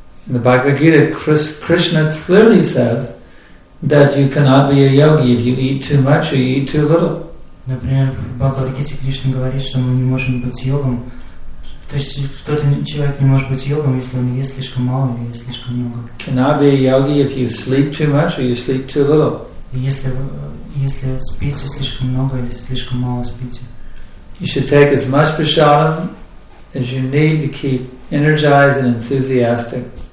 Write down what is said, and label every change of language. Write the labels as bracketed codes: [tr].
[en] The Bhagavad Gita, Krishna clearly says that you cannot be a yogi if you eat too much or you eat too little. [ru] Например, в Бхагавад Гите Кришна говорит, что мы не можем быть йогом. То есть кто-то человек не может быть йогом, если он ест слишком мало или ест слишком много. [en] Cannot be a yogi if you sleep too much or you sleep too little. [ru] Если спите слишком много или слишком мало спите. [en] You should take as much prasadam as you need to keep energized and enthusiastic.